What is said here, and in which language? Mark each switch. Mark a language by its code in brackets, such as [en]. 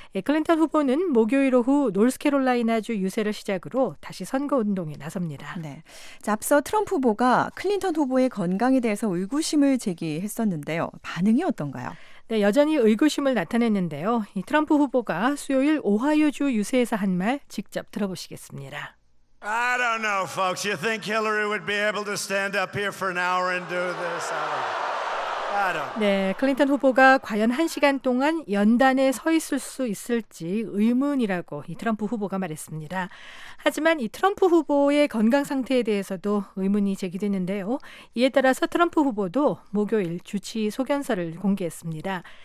[ko] 이 클린턴 후보는 목요일 오후 노스캐롤라이나주 유세를 시작으로 다시 선거운동에 나섭니다. 네. 자, 앞서 트럼프 후보가 클린턴 후보의 건강에 대해서 의구심을 제기했었는데요. 반응이 어떤가요? 네, 여전히 의구심을 나타냈는데요. 이 트럼프 후보가 수요일 오하이오주 유세에서 한 말 직접 들어보시겠습니다. [en] I don't know, folks. You think Hillary would be able to stand up here for an hour and do this? I don't. [ko] 네, 클린턴 후보가 과연 한 시간 동안 연단에 서 있을 수 있을지 의문이라고 이 트럼프 후보가 말했습니다. 하지만 이 트럼프 후보의 건강 상태에 대해서도 의문이 제기됐는데요. 이에 따라서 트럼프 후보도 목요일 주치 소견서를 공개했습니다.